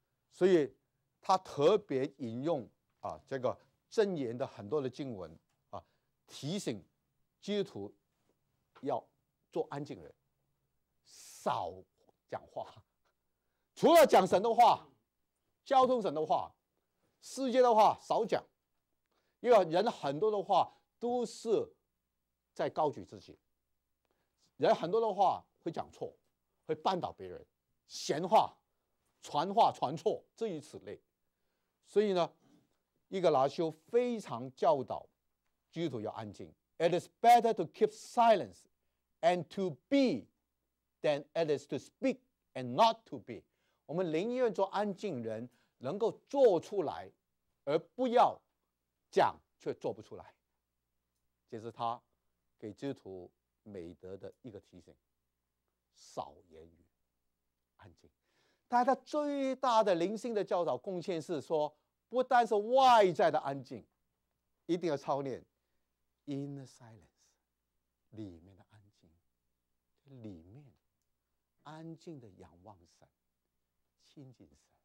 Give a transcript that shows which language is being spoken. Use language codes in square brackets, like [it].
[zh] 所以他特别引用这个箴言的很多的经文提醒基督徒要做安静人，少讲话，除了讲神的话，交通神的话，世界的话少讲，因为人很多的话都是在高举自己，人很多的话会讲错，会绊倒别人，闲话传话传错，这一此类。所以呢，伊格拉修非常教导基督徒要安静， [en] It is better to keep silence and to be than it is to speak and not to be。 [zh] 我们宁愿做安静人，能够做出来而不要讲却做不出来，这是他给基督徒美德的一个提醒，少言语，安静。但他最大的灵性的教导贡献是说，不单是外在的安静，一定要操练 [en] inner silence， [zh] 里面的安静，里面安静的仰望神，亲近神。